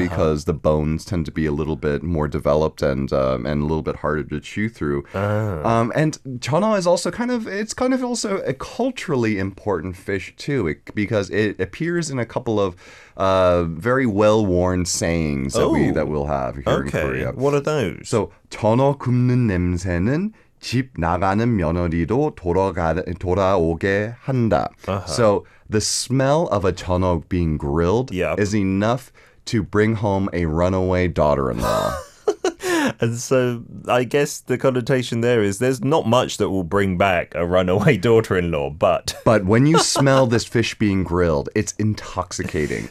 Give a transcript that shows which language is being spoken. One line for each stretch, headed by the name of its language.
English: because the bones tend to be a little bit more developed and a little bit harder to chew through. And Jeoneo is also kind of also a culturally important fish too, because it appears in a couple of very well-worn sayings that we'll have here okay. in Korea. Okay, what are those?
Korean: So, 전어 굽는 냄새는 집 나가는 며느리도 돌아오게 한다.
English: Uh-huh. So, the smell of a 전어 being grilled yep. is enough to bring home a runaway daughter-in-law. And so I guess the connotation there is there's not much that will bring back a runaway daughter-in-law, but... But when you smell this fish being grilled, it's intoxicating.